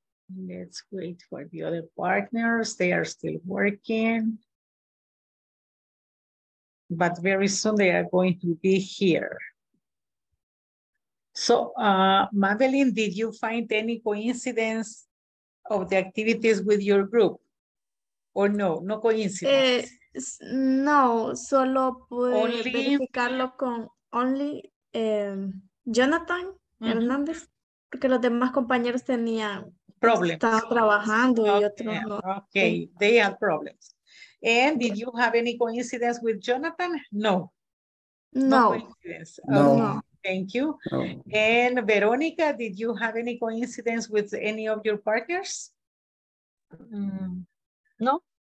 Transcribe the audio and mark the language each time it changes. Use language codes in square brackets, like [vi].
[en] Let's wait for the other partners. They are still working. But very soon they are going to be here. So, Madeline, did you find any coincidence of the activities with your group? Or no? No coincidence? [es] No, solo pude verificarlo con [en] only [es] Jonathan Hernández, porque los demás compañeros tenían. [en] problems. [es] Está trabajando y otros no. [en] Okay, they have problems. And did you have any coincidence with Jonathan? No. No. No. No. Thank you. No. And Veronica, did you have any coincidence with any of your partners? No.